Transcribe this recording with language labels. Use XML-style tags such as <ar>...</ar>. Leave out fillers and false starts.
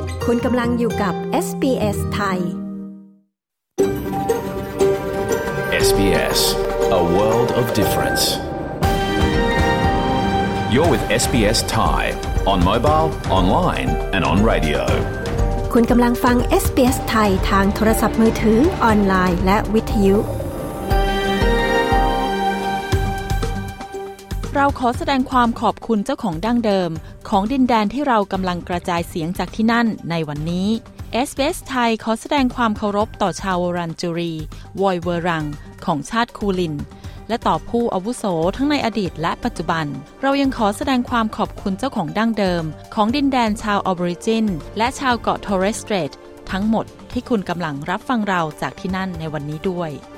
<th>คุณกำลังอยู่กับ SBS ไทย</th> <en>SBS A World of Difference You're with SBS Thai on mobile, online and on radio</en> <th>คุณกำลังฟัง SBS ไทยทางโทรศัพท์มือถือออนไลน์และวิทยุ เราขอแสดงความขอบคุณเจ้าของดั้งเดิมของดินแดนที่เรากำลังกระจายเสียงจากที่นั่นในวันนี้ SBS ไทยขอแสดงความเคารพต่อชาวรันจูรีวอยเวรังของชาติคูลินและต่อผู้อาวุโสทั้งในอดีตและปัจจุบันเรายังขอแสดงความขอบคุณเจ้าของดั้งเดิมของดินแดนชาวออริจินและชาวเกาะทอเรสสเตรททั้งหมดที่คุณกำลังรับฟังเราจากที่นั่นในวันนี้ด้วย</th>